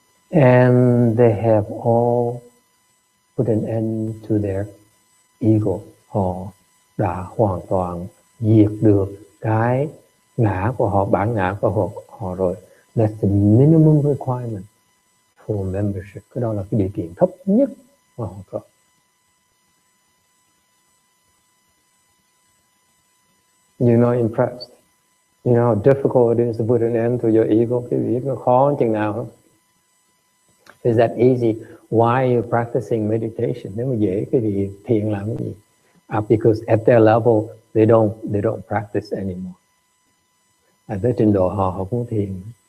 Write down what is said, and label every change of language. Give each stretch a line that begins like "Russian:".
English: And they have all put an end to their ego.
Vietnamese: Họ đã hoàn toàn diệt được cái ngã của họ, bản ngã của họ rồi.
English: That's the minimum requirement. For membership,
Vietnamese: cái đó là cái điều kiện thấp nhất mà họ có.
English: You're not impressed. You know how difficult it is to put an end to your ego.
Vietnamese: Cái việc nó khó chừng nào không?
English: Is that easy? Why are you practicing meditation?
Vietnamese: Nếu mà dễ, cái gì thiền làm cái gì?
English: Because at their level, they don't practice anymore. At the
Vietnamese: trình độ họ họ cũng thiền.